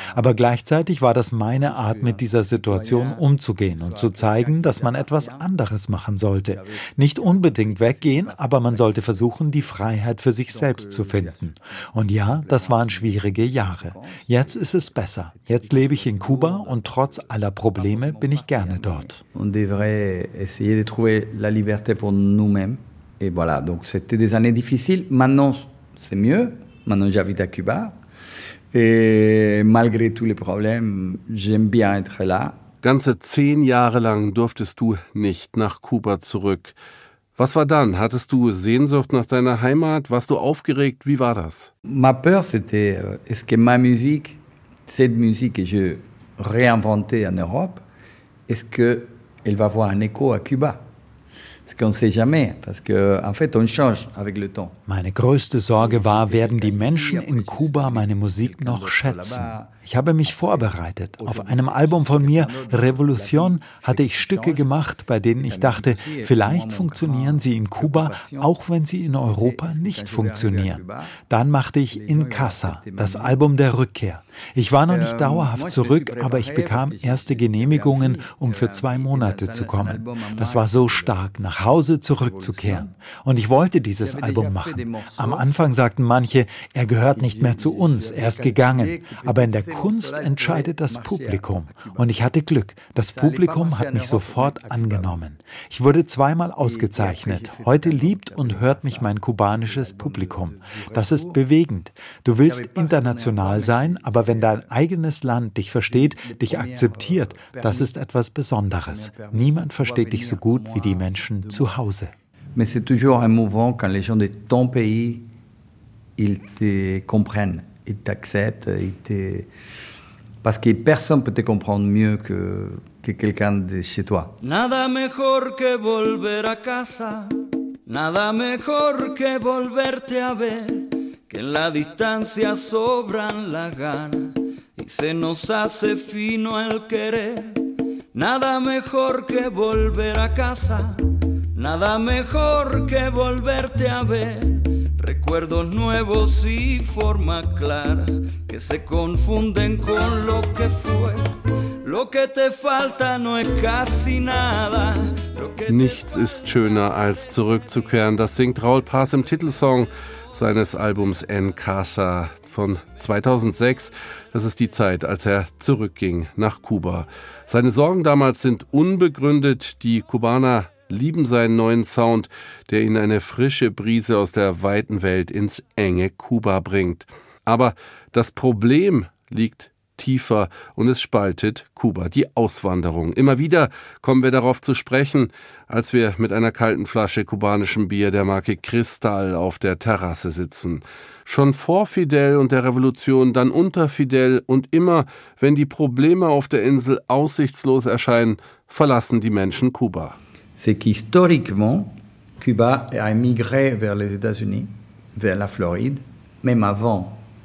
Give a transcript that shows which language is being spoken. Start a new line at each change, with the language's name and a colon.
German: Aber gleichzeitig war das meine Art, mit dieser Situation umzugehen und zu zeigen, dass man etwas anderes machen sollte. Nicht unbedingt weggehen, aber man sollte versuchen, die Freiheit für sich selbst zu finden. Und ja, das waren schwierige Jahre. Jetzt ist es besser. Jetzt lebe ich in Kuba und trotz aller Probleme bin ich gerne dort.
French: On devrait essayer de trouver la liberté pour nous-mêmes. Et voilà, donc c'était des années difficiles. Maintenant, c'est mieux. Maintenant, j'habite à Cuba. Et malgré tous les problèmes, j'aime bien être là.
German: Ganze 10 Jahre lang durftest du nicht nach Kuba zurück. Was war dann? Hattest du Sehnsucht nach deiner Heimat? Warst du aufgeregt? Wie war das?
French: Ma peur, c'était, est-ce que ma musique, cette musique que je réinventais en Europe, est-ce qu'elle va avoir un écho à Cuba? Parce qu'on ne sait jamais, parce qu'en fait, on change avec le temps.
German: Meine größte Sorge war, werden die Menschen in Kuba meine Musik noch schätzen? Ich habe mich vorbereitet. Auf einem Album von mir, Revolution, hatte ich Stücke gemacht, bei denen ich dachte, vielleicht funktionieren sie in Kuba, auch wenn sie in Europa nicht funktionieren. Dann machte ich In Casa, das Album der Rückkehr. Ich war noch nicht dauerhaft zurück, aber ich bekam erste Genehmigungen, um für 2 Monate zu kommen. Das war so stark, nach Hause zurückzukehren. Und ich wollte dieses Album machen. Am Anfang sagten manche, er gehört nicht mehr zu uns, er ist gegangen. Aber in der Kunst entscheidet das Publikum. Und ich hatte Glück. Das Publikum hat mich sofort angenommen. Ich wurde 2-mal ausgezeichnet. Heute liebt und hört mich mein kubanisches Publikum. Das ist bewegend. Du willst international sein, aber wenn dein eigenes Land dich versteht, dich akzeptiert, das ist etwas Besonderes. Niemand versteht dich so gut wie die Menschen zu Hause.
French: Mais c'est toujours émouvant quand les gens de ton pays, ils te comprennent. Il t'accepte, il te... parce que personne ne peut te comprendre mieux que quelqu'un de chez toi.
Spanish: Nada mejor que volver a casa, nada mejor que volverte a ver, que en la distancia sobran las ganas y se nos hace fino el querer. Nada mejor que volver a casa, nada mejor que volverte a ver. Recuerdos nuevos y forma clara que se confunden con lo que fue. Lo que te falta no es casi nada.
German: Nichts ist schöner als zurückzukehren. Das singt Raul Paz im Titelsong seines Albums En Casa von 2006. Das ist die Zeit, als er zurückging nach Kuba. Seine Sorgen damals sind unbegründet. Die Kubaner lieben seinen neuen Sound, der ihnen eine frische Brise aus der weiten Welt ins enge Kuba bringt. Aber das Problem liegt tiefer und es spaltet Kuba, die Auswanderung. Immer wieder kommen wir darauf zu sprechen, als wir mit einer kalten Flasche kubanischem Bier der Marke Cristal auf der Terrasse sitzen. Schon vor Fidel und der Revolution, dann unter Fidel und immer, wenn die Probleme auf der Insel aussichtslos erscheinen, verlassen die Menschen Kuba.
French: C'est qu'historiquement, Cuba a émigré vers les États-Unis, vers la Floride, même avant